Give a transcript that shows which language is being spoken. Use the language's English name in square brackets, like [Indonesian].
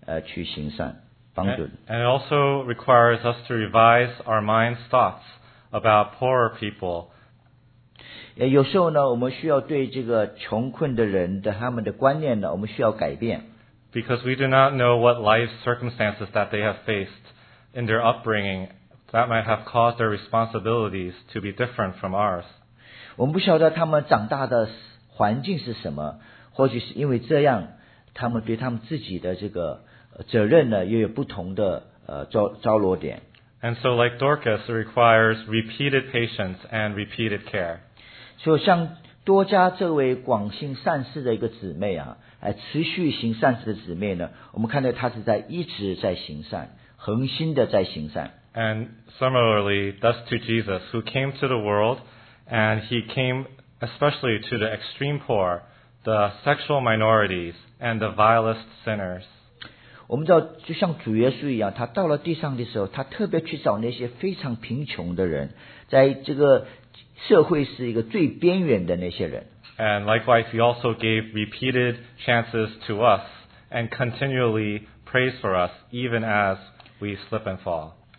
[Chinese] 所以这边讲到这个多行周济啊，就是继续不断的去行善了，乃是说当这些事情发生的时候，你仍然去行善帮助。 [English] And it also requires us to revise our mind's thoughts about poorer people. [Chinese] 有时候呢，我们需要对这个穷困的人的他们的观念呢，我们需要改变。 [English] Because we do not know what life circumstances that they have faced in their upbringing that might have caused their responsibilities to be different from ours. [Chinese] 我们不晓得他们长大的环境是什么，或许是因为这样，他们对他们自己的这个责任呢，又有不同的招罗点。 [English] And so like Dorcas, it requires repeated patience and repeated care. [Chinese] 就像多加这位广信善事的一个姊妹啊，持续行善事的姊妹呢，我们看到她是在一直在行善，恒心的在行善。 [English] And similarly, thus to Jesus, who came to the world, and he came especially to the extreme poor, the sexual minorities, and the vilest sinners. [Chinese] 我们知道，就像主耶稣一样，他到了地上的时候，他特别去找那些非常贫穷的人，在这个社会是一个最边缘的那些人。 [English] And likewise, he also gave repeated chances to us and continually prays for us even as we slip and fall.